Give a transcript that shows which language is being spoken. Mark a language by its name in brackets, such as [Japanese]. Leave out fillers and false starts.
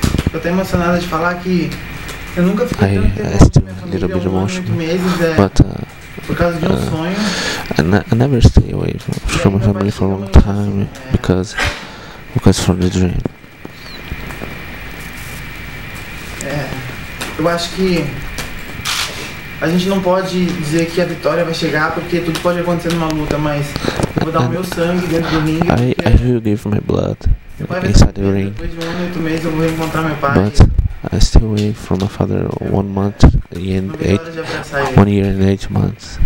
[Portuguese] Tô até emocionada de falar que eu nunca fiquei tanto tempo com minha família, 8 meses, por causa de um sonho. [English] I never stay away from my family for a long time, assim, because from the dream. [Portuguese] Eu acho que a gente não pode dizer que a vitória vai chegar, porque tudo pode acontecer numa luta, mas eu vou dar o meu sangue dentro do ringue. [English] I will give my blood. Inside the ring. But I stay away from my father 1 month and 1 year and 8 months.